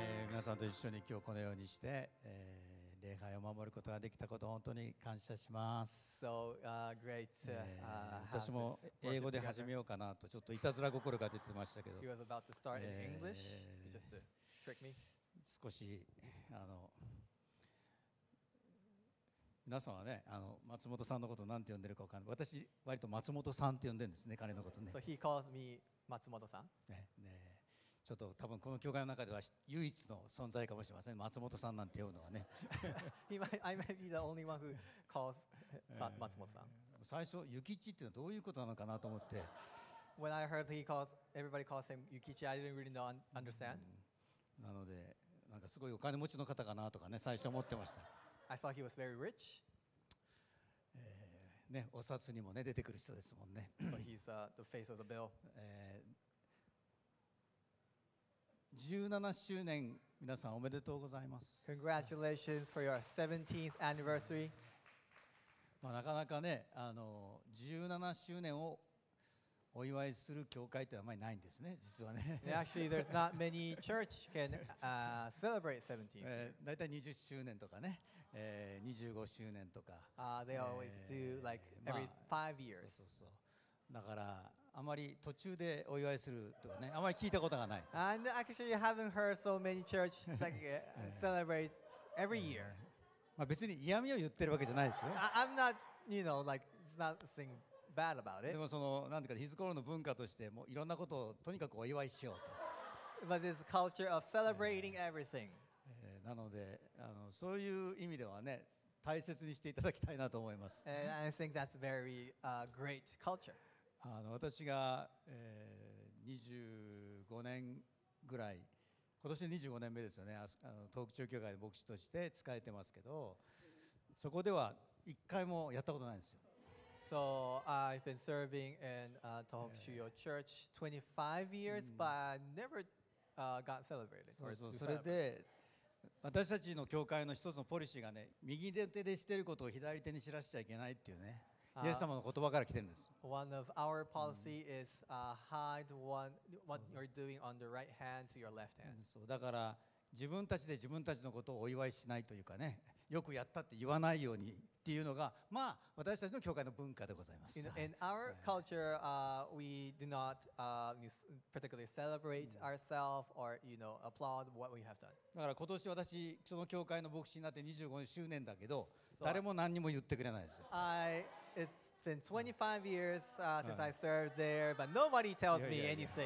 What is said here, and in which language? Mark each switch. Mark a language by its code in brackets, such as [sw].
[ja] 皆さんと一緒に今日このようにして、礼拝を守ることができたことを本当に感謝します。 [en] So, great to, [ja] 私も英語で始めようかなとちょっといたずら心が出てましたけど。 [en] He was about to start in English, just to trick me. [ja] 少し皆さんはね、松本さんのことなんて呼んでるかわかんない。私割と松本さんって呼んでるんですね、彼のことね。 [en] So he calls me 松本さん。 [ja] ちょっと多分この教会の中では唯一の存在かもしれません。松本さんなんて呼ぶのはね。 [en] I might be the only one who calls 松本さん。 [ja] 最初ユキチっていうのはどういうことなのかなと思って。 [en] When I heard he calls everybody calls him Yukichi, I didn't really know, understand. [ja] なのでなんかすごいお金持ちの方かなとかね最初思ってました。 [en] I thought he was very rich. [ja] ね、お札にもね出てくる人ですもんね。 [en] So he's the face of the bill. [ja] 17周年皆さんおめでとうございます。 [en] Congratulations for your 17th anniversary. [ja] まあなかなかね17周年をお祝いする教会ってあまりないんですね、実はね。 [en] Actually, there's not many church can celebrate 17th. [ja] だいたい20周年とかね、25周年とか。 [en] They always do like every five years. [ja] そうそうそう。だからあまり途中でお祝いするとかね、あまり聞いたことがない。 [en] And actually, I haven't heard so many church like celebrate every year. [ja] まあ別に嫌味を言ってるわけじゃないですよ。 [en] I'm not, you know, like it's not something bad about it. [ja] でもそのなんていうか、ヒズコロの文化としてもういろんなことをとにかくお祝いしようと。 [en] But it's culture of celebrating everything. [ja] なのでそういう意味ではね、大切にしていただきたいなと思います。 [en] And I think that's very great culture. [ja] 私が、25年ぐらい、今年25年目ですよね、東北中教会で牧師として仕えてますけど、そこでは一回もやったことないんですよ。 [en] So I've been serving in 東北中央 church 25 years, but I never got celebrated. [ja] そうそう、それで私たちの教会の一つのポリシーがね、右手でしてることを左手に知らせちゃいけないっていうね。イエス様の言葉から来てるんです。 [en] One of our policy is hide one what you're doing on the right hand to your left hand. [ja] そうだから自分たちで自分たちのことをお祝いしないというかね、よくやったって言わないようにっていうのが、まあ私たちの教会の文化でございます。 [en] In our culture, we do not particularly celebrate ourselves or you know applaud what we have done. [ja] だから今年私その教会の牧師になって25周年だけど、誰も何にも言ってくれないですよ。 [en] It's been 25 years since I served there, but nobody tells me anything.